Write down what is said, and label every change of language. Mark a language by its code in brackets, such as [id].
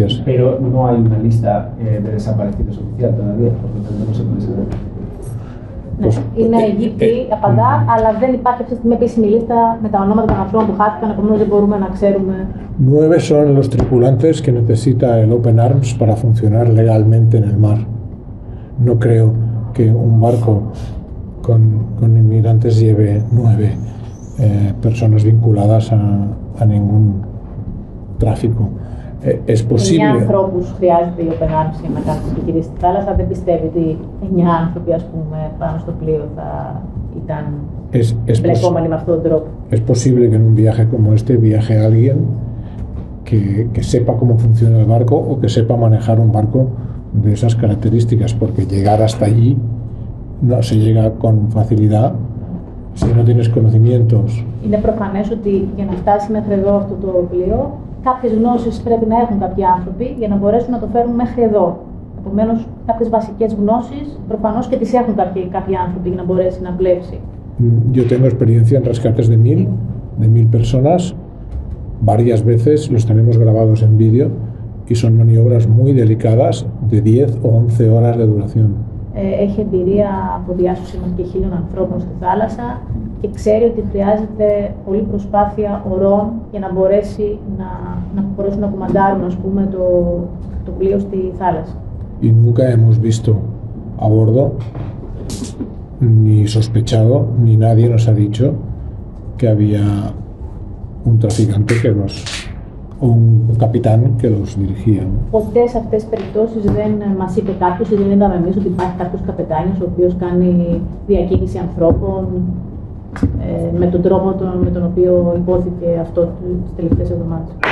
[es] Pero no hay una lista de desaparecidos oficial todavía, por lo tanto no se puede saber. [el] Πώς... Είναι Αιγύπτιοι, απαντά, αλλά δεν υπάρχει αυτή τη στιγμή επίσημη λίστα με τα ονόματα των ανθρώπων που χάθηκαν, επομένως δεν μπορούμε να ξέρουμε. [es] 9 son los tripulantes que necesita el Open Arms para funcionar legalmente en el mar. No creo que un barco con inmigrantes lleve 9 personas vinculadas a ningún tráfico. Es posible. [el] 9 ανθρώπους χρειάζεται η Open Arms για να κάνει την κυρία στη θάλασσα. Δεν πιστεύει ότι 9 άνθρωποι, ας πούμε, πάνω στο πλοίο θα ήταν εμπλεκόμενοι με αυτόν τον τρόπο. [es] Es posible que en un viaje como este viaje alguien que sepa cómo funciona el barco o que sepa manejar un barco de esas características, porque llegar hasta allí no se llega con facilidad si no tienes conocimientos. [el] Είναι προφανές ότι για να φτάσει μέχρι εδώ αυτό το πλοίο, κάποιες γνώσεις πρέπει να έχουν κάποιοι άνθρωποι για να μπορέσουν να το φέρουν μέχρι εδώ. Επομένως, κάποιες βασικές γνώσεις προφανώς και τις έχουν κάποιοι άνθρωποι για να μπορέσει να πλέψει. [es] Yo tengo experiencia en rescates de 1000, de 1000 personas. Varias veces los tenemos grabados en vídeo y son maniobras muy delicadas de 10 o 11 horas de duración. [el] Έχει εμπειρία από διάσωση μας και 1000 ανθρώπων στη θάλασσα και ξέρει ότι χρειάζεται πολλή προσπάθεια ωρών για να μπορέσει να μπορέσουν να κουμαντάρουν, ας πούμε, το πλοίο στη θάλασσα. [es] Y nunca hemos visto a bordo ni sospechado ni nadie nos ha dicho que había un traficante que los, un capitán que los dirigía. [el] Ποτέ σε αυτές τις περιπτώσεις δεν μας είπε κάποιος ή δεν είδαμε εμείς ότι υπάρχει κάποιος καπετάνιος ο οποίος κάνει διακίνηση ανθρώπων με τον τρόπο με τον οποίο υπόθηκε αυτό τις τελευταίες εβδομάδες.